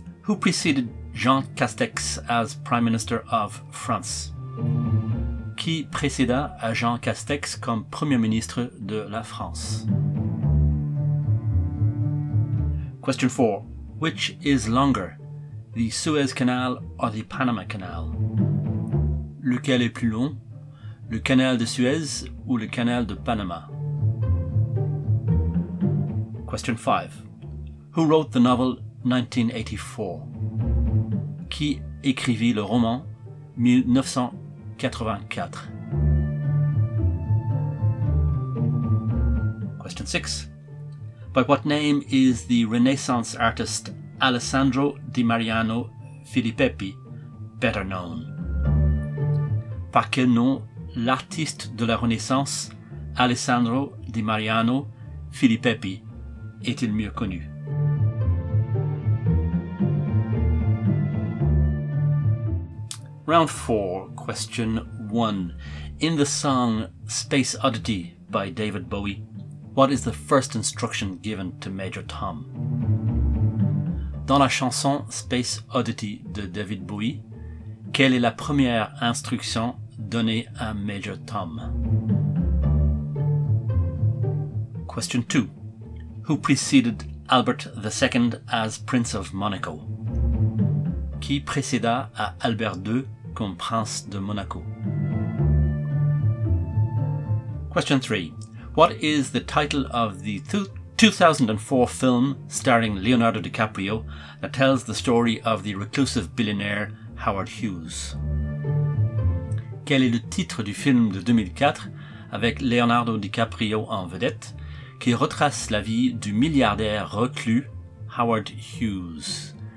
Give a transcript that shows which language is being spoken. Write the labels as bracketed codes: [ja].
[en] Who preceded Jean Castex as Prime Minister of France? [fr] Qui précéda Jean Castex comme Premier ministre de la France? [en] Question 4. Which is longer, the Suez Canal or the Panama Canal? [fr] Lequel est plus long, le canal de Suez ou le canal de Panama? [en] Question 5. Who wrote the novel 1984? [fr] Qui écrivit le roman 1984? [en] Question 6. By what name is the Renaissance artist Alessandro Di Mariano Filippi better known? [fr] Par quel nom l'artiste de la Renaissance Alessandro Di Mariano Filippi est-il mieux connu? [en] Round 4, question 1. In the song Space Oddity by David Bowie, what is the first instruction given to Major Tom? [fr] Dans la chanson Space Oddity de David Bowie, quelle est la première instruction donnée à Major Tom? [en] Question 2. Who preceded Albert II as Prince of Monaco? [fr] Qui précéda à Albert II comme Prince de Monaco? [en] Question 3. What is the title of the 2004 film starring Leonardo DiCaprio that tells the story of the reclusive billionaire Howard Hughes? [fr] Quel est le titre du film de 2004 avec Leonardo DiCaprio en vedette qui retrace la vie du milliardaire reclus Howard Hughes?